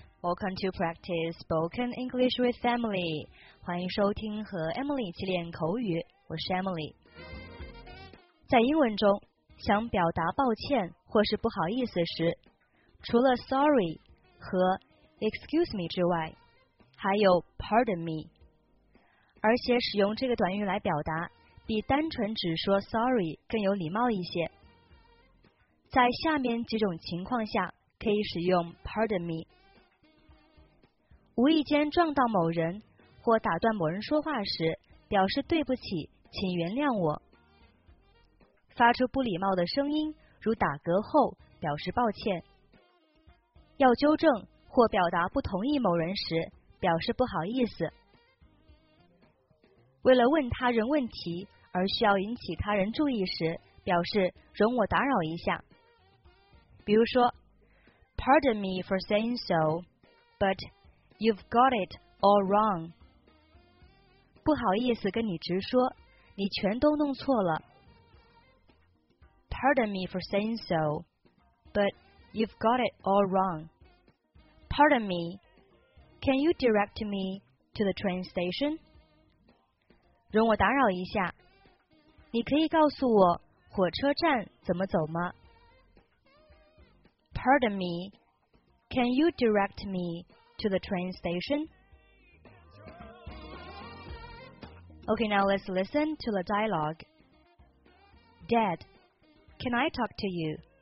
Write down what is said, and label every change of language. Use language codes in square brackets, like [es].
[en] Welcome to practice spoken English with Emily. [zh] 欢迎收听和 Emily 一起练口语。我是 Emily。在英文中，想表达抱歉或是不好意思时，除了 sorry 和 excuse me 之外，还有 pardon me。而且使用这个短语来表达，比单纯只说 sorry 更有礼貌一些。在下面几种情况下可以使用 pardon me。无意间撞到某人或打断某人说话时，表示对不起，请原谅我。发出不礼貌的声音，如打嗝后，表示抱歉。要纠正或表达不同意某人时，表示不好意思。为了问他人问题而需要引起他人注意时，表示容我打扰一下。比如说， [en] Pardon me for saying so, but you've got it all wrong. [zh] 不好意思跟你直说，你全都弄错了。 [en] Pardon me for saying so, but you've got it all wrong. Pardon me, can you direct me to the train station? [zh] 容我打扰一下，你可以告诉我火车站怎么走吗？ [en] Pardon me, can you direct me to the train station? Okay, now let's listen to the dialogue. Dad, can I talk to you?